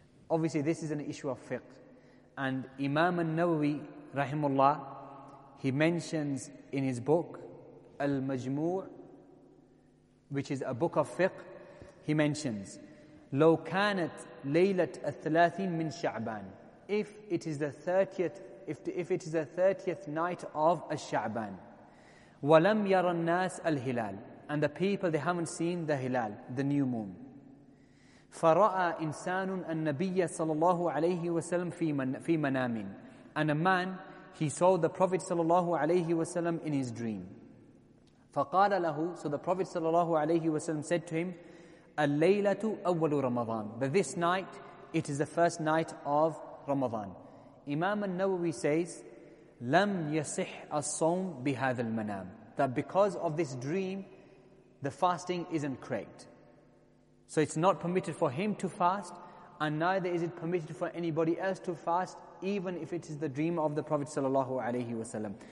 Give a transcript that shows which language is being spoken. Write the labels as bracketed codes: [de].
[en] Obviously, this is an issue of fiqh. And Imam An-Nawawi, rahimullah, he mentions in his book, Al-Majmu', which is a book of fiqh, he mentions, [ar] لو كانت ليلة الثلاثين من شعبان. [en] If it is the 30th night of الشعبان, [ar] ولم يرى الناس الهلال, [en] and the people, they haven't seen the hilal, the new moon. [ar] فرأى إنسان النبي صلى الله عليه وسلم في منام. [en] And a man, he saw the Prophet صلى الله عليه وسلم in his dream. [ar] فقال له, [en] so the Prophet [ar] صلى الله عليه وسلم [en] said to him, [ar] اللَّيْلَةُ أَوَّلُ رَمَضَانِ. [en] But this night, it is the first night of Ramadan. Imam An-Nawawi says [ar] لَمْ يَصِحْ الصَّوْمْ بِهَذَا الْمَنَامِ, [en] that because of this dream, the fasting isn't correct. So it's not permitted for him to fast, and neither is it permitted for anybody else to fast, even if it is the dream of the Prophet sallallahu alayhi wasallam.